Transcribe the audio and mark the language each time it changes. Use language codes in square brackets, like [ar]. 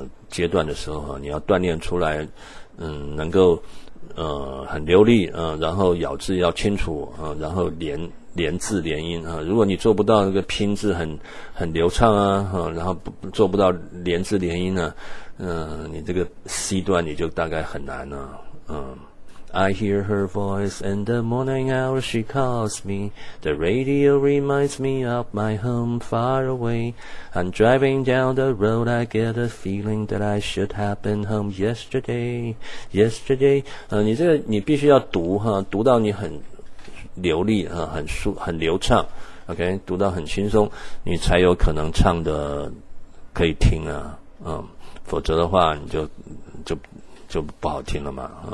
[zh] 阶段的时候，你要锻炼出来能够很流利，然后咬字要清楚，然后连字连音，如果你做不到那个拼字很流畅啊，然后做不到连字连音呢，你这个 C 段你就大概很难了 [en] I hear her voice in the morning hour she calls me. The radio reminds me of my home far away. I'm driving down the road, I get a feeling that I should have been home yesterday. [zh] 你这个你必须要读，读到你很流利，很流畅 ,OK, 读到很轻松你才有可能唱的可以听啊，否则的话你就不好听了嘛。